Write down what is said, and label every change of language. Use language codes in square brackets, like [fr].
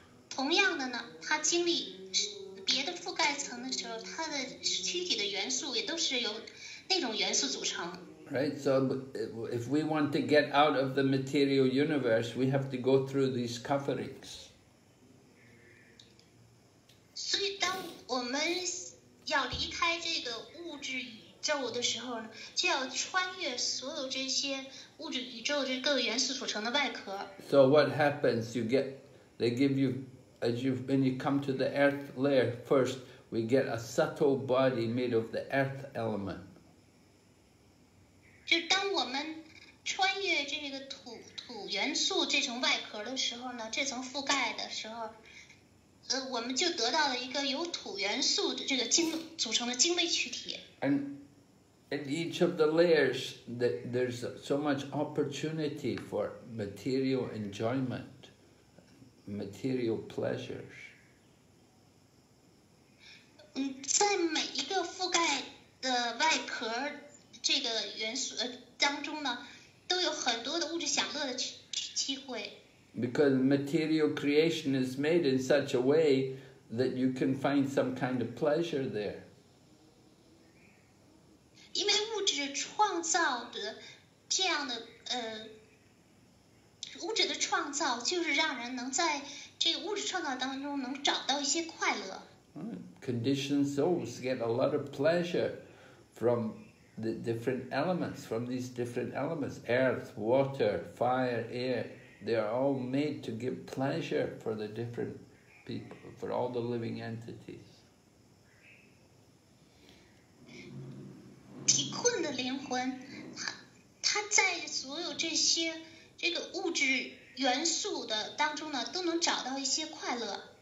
[zh] 同样的呢，他经历别的覆盖层的时候，他的躯体的元素也都是由那种元素组成。 [en] Right, so if we want to get out of the material universe, we have to go through these coverings. [zh] 我们要离开这个物质宇宙的时候呢，就要穿越所有这些物质宇宙这各个元素组成的外壳。 [en] So what happens? You get, they give you, as you, when you come to the earth layer first, we get a subtle body made of the earth element. [zh] 就当我们穿越这个土元素这层外壳的时候呢，这层覆盖的时候，我们就得到了一个由土元素的这个精组成的精微躯体。 [en] And in each of the layers, there's so much opportunity for material enjoyment, material pleasures. [zh] 在每一个覆盖的外壳这个元素当中呢，都有很多的物质享乐的机会。 [en] Because material creation is made in such a way that you can find some kind of pleasure there. [zh] 因为物质创造的这样的物质的创造就是让人能在这个物质创造当中能找到一些快乐。 [en] Conditioned souls get a lot of pleasure from the different elements, from these different elements, earth, water, fire, air. They are all made to give pleasure for the different people, for all the living entities. [zh] 贫困的灵魂，它在所有这些这个物质元素的当中呢，都能找到一些快乐。